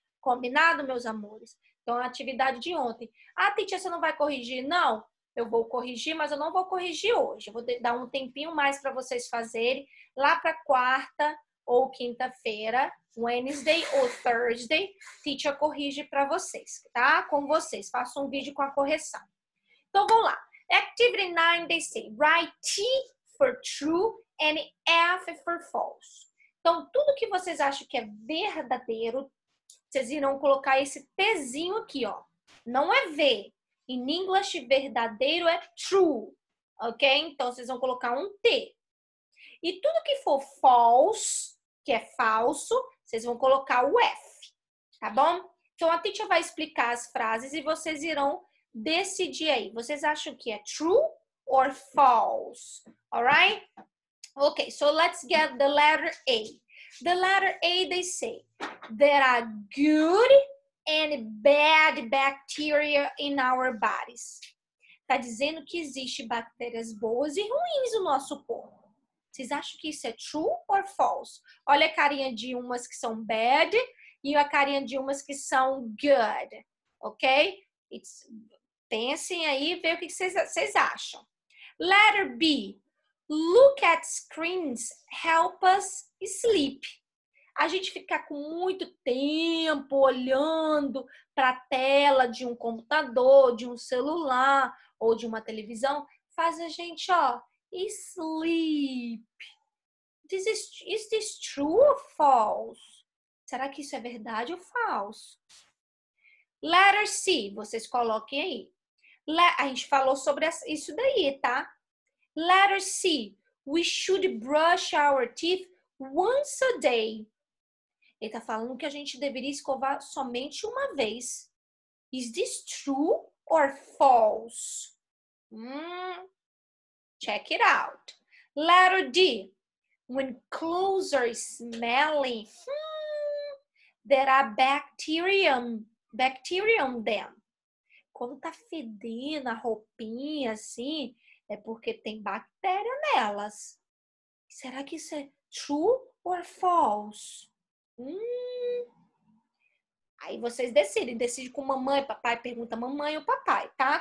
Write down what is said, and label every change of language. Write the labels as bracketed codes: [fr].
[pt] Combinado, meus amores? Então, a atividade de ontem. Ah, Titia, você não vai corrigir? Não. Eu vou corrigir, mas eu não vou corrigir hoje. Eu vou dar um tempinho mais para vocês fazerem lá para quarta ou quinta-feira, Wednesday ou Thursday, teacher corrige para vocês, tá? Com vocês, faço um vídeo com a correção. Então vamos lá. [en] Activity 9, they say, write T for true and F for false. [pt] Então tudo que vocês acham que é verdadeiro, vocês irão colocar esse Tzinho aqui, ó. Não é V. [en] In English, [pt] verdadeiro é true, ok? Então, vocês vão colocar um T. E tudo que for false, que é falso, vocês vão colocar o F, tá bom? Então, a teacher vai explicar as frases e vocês irão decidir aí. Vocês acham que é [en] true or false, alright? Ok, so let's get the letter A. The letter A, they say, there are good and bad bacteria in our bodies. [pt] Tá dizendo que existe bactérias boas e ruins no nosso corpo. Vocês acham que isso é [en] true or false? [pt] Olha a carinha de umas que são bad e a carinha de umas que são good. Ok? Pensem aí e vejam o que vocês acham. [en] Letter B. Look at screens help us sleep. [pt] A gente ficar com muito tempo olhando para a tela de um computador, de um celular ou de uma televisão, faz a gente, ó, sleep. [en] Is this true or false? [pt] Será que isso é verdade ou falso? [en] Letter C, [pt] vocês coloquem aí. A gente falou sobre isso daí, tá? [en] Letter C, we should brush our teeth once a day. [pt] Ele tá falando que a gente deveria escovar somente uma vez. [en] Is this true or false? Check it out. Letter D. When clothes are smelly, there are bacterium them. [pt] quando tá fedendo a roupinha assim, é porque tem bactéria nelas. Será que isso é [en] true or false? [pt] Aí vocês decidem, decide com mamãe, papai, pergunta mamãe ou papai, tá?